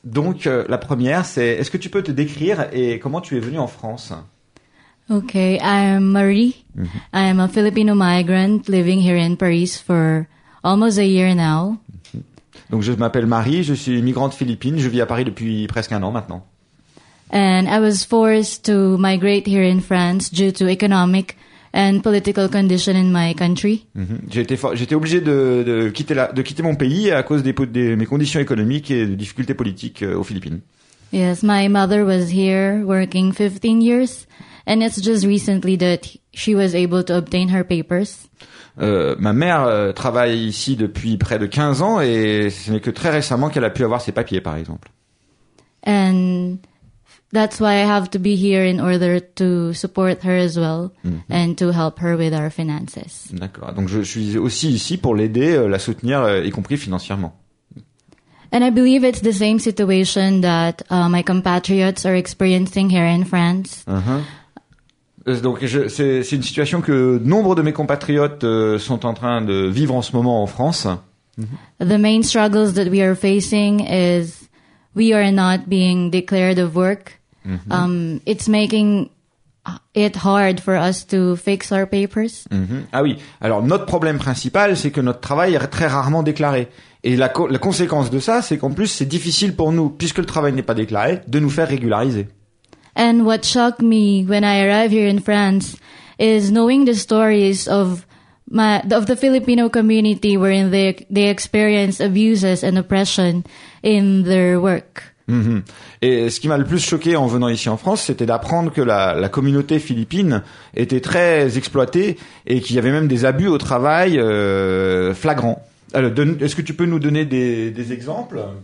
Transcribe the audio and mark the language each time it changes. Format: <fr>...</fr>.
<fr>Donc, la première, c'est est-ce que tu peux te décrire et comment tu es venue en France?</fr> <en>Okay, I'm Marie. Mm-hmm. I'm a Filipino migrant living here in Paris for almost a year now.</en> <fr>Donc, je m'appelle Marie, je suis migrante philippine, je vis à Paris depuis presque un an maintenant.</fr> <en>And I was forced to migrate here in France due to economic and political condition in my country. Mm-hmm.</en> <fr>J'étais obligé de quitter mon pays à cause de mes conditions économiques et de difficultés politiques aux Philippines.</fr> <en>Yes, my mother was here working 15 years and it's just recently that she was able to obtain her papers.</en> <fr>Ma mère travaille ici depuis près de 15 ans et ce n'est que très récemment qu'elle a pu avoir ses papiers, par exemple.</fr> <en>And that's why I have to be here in order to support her as well, mm-hmm, and to help her with our finances.</en> <fr>D'accord. Donc je suis aussi ici pour l'aider, la soutenir, y compris financièrement.</fr> <en>And I believe it's the same situation that my compatriots are experiencing here in France. Uh-huh.</en> <fr>Donc c'est une situation que nombre de mes compatriotes sont en train de vivre en ce moment en France. Mm-hmm.</fr> <en>The main struggles that we are facing is we are not being declared of work. Mm-hmm. It's making it hard for us to fix our papers.</en> <fr>Mm-hmm. Ah oui. Alors, notre problème principal, c'est que notre travail est très rarement déclaré. Et la conséquence de ça, c'est qu'en plus, c'est difficile pour nous, puisque le travail n'est pas déclaré, de nous faire régulariser.</fr> <en>And what shocked me when I arrived here in France is knowing the stories of the Filipino community wherein they experience abuses and oppression in their work. Mm-hmm.</en> <fr>Et ce qui m'a le plus choqué en venant ici en France, c'était d'apprendre que la communauté philippine était très exploitée et qu'il y avait même des abus au travail flagrants. Alors, est-ce que tu peux nous donner des exemples?</fr>